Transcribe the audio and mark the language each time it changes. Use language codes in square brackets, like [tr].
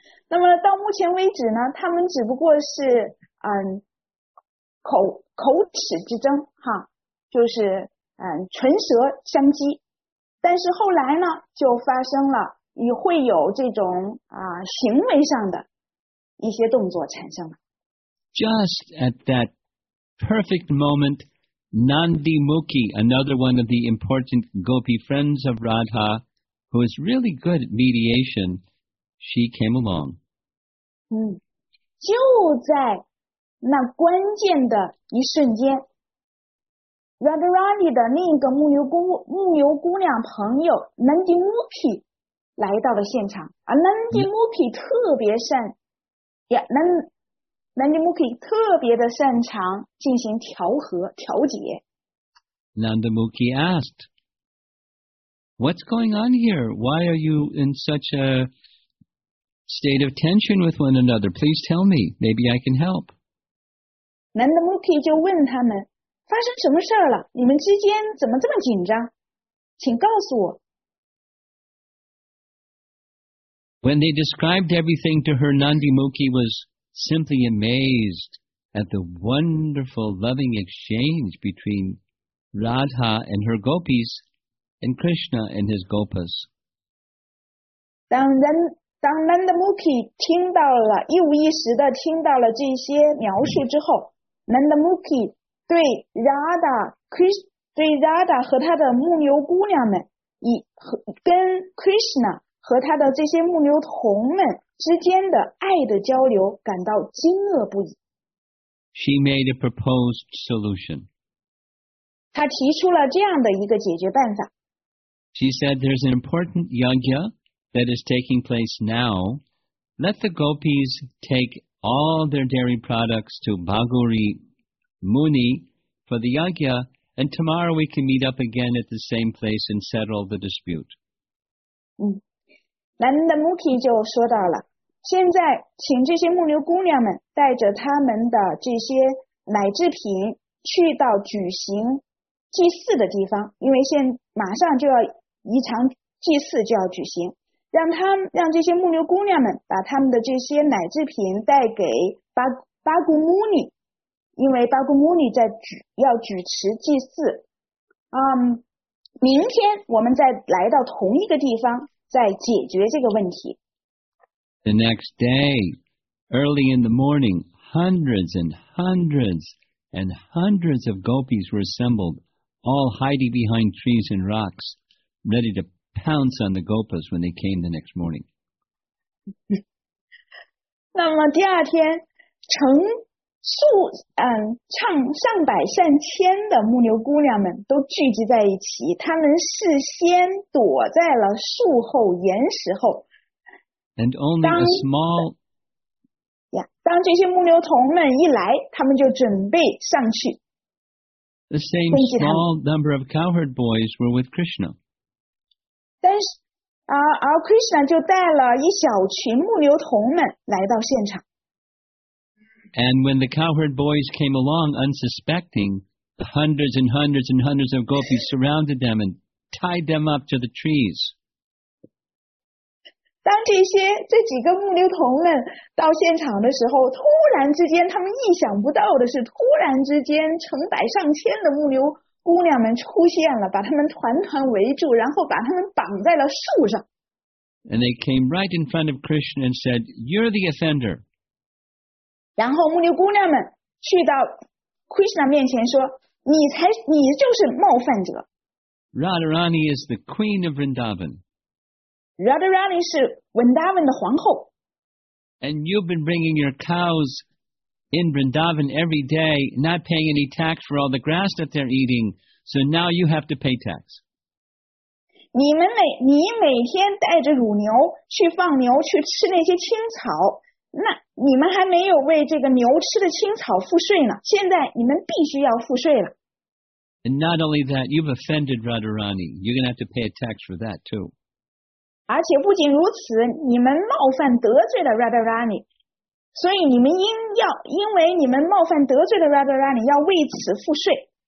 [zh] 那么到目前为止呢，他们只不过是口齿之争哈，就是唇舌相讥。但是后来呢，就发生了，也会有这种行为上的一些动作产生了。 [en] Just at that perfect moment, Nandi Mukhi, another one of the important gopi friends of Radha, who is really good at mediation, she came along. [zh] 就在那关键的一瞬间， Radharani 的另一个牧牛姑娘朋友 Nandi Mukhi 来到了现场。 Nandi Mukhi 特别善Nandi Mukhi 特别的擅长进行调和调解。 [en] Nandi Mukhi asked, "What's going on here? Why are you in such a state of tension with one another? Please tell me. Maybe I can help." [zh] Nandi Mukhi 就问他们，发生什么事了？你们之间怎么这么紧张？请告诉我。 [en] When they described everything to her, Nandi Mukhi was simply amazed at the wonderful loving exchange between Radha and her gopis and Krishna and his gopas. [zh] 当 Nandi Mukhi 听到了，一五一十的听到了这些描述之后， Nandi Mukhi 对 Radha 和他的牧牛姑娘们，跟 Krishna 和他的这些牧牛童们之间的爱的交流感到惊愕不已。 [en] She made a proposed solution. [zh] 她提出了这样的一个解决办法。 [en] She said, "There's an important yagya that is taking place now. Let the gopis take all their dairy products to Bhaguri Muni for the yagya, and tomorrow we can meet up again at the same place and settle the dispute." [zh] Nandi Mukhi 就说到了，现在请这些牧牛姑娘们带着他们的这些奶制品去到举行祭祀的地方，因为现马上就要一场祭祀就要举行，让这些牧牛姑娘们把他们的这些奶制品带给巴古穆尼，因为巴古穆尼要举持祭祀。明天我们再来到同一个地方再解决这个问题。 [en] The next day, early in the morning, hundreds and hundreds and hundreds of gopis were assembled, all hiding behind trees and rocks, ready to pounce on the gopas when they came the next morning. [zh] 那么第二天，上百上千的牧牛姑娘们都聚集在一起，她们事先躲在了树后、岩石后。 [en] And only a small. [zh] 当这些牧牛童们一来，他们就准备上去。 [en] The same small number of cowherd boys were with Krishna. [zh] 但是，而 Krishna 就带了一小群牧牛童们来到现场。 [en] And when the cowherd boys came along unsuspecting, hundreds and hundreds and hundreds of gopis surrounded them and tied them up to the trees. [zh] 当这几个牧牛童们到现场的时候，突然之间他们意想不到的是，突然之间成百上千的牧牛姑娘们出现了，把他们团团围住，然后把他们绑在了树上。 [en] And they came right in front of Krishna and said, "You're the offender." [zh] 然后牧牛姑娘们去到 Krishna 面前说，你就是冒犯者。 [en] Radharani is the queen of Vrindavan. [zh] Radharani 是 Vrindavan 的皇后。 [en] And you've been bringing your cows in Vrindavan every day, not paying any tax for all the grass that they're eating, so now you have to pay tax. [zh] 你每天带着乳牛去放牛去吃那些青草，那你们还没有为这个牛吃的青草付税呢，现在你们必须要付税了。 [en] And not only that, you've offended Radharani. You're going to have to pay a tax for that too. [zh] 而且不仅如此，你们冒犯得罪了 Radharani， 所以你们应要因为你们冒犯得罪了 Radharani， 要为此付税。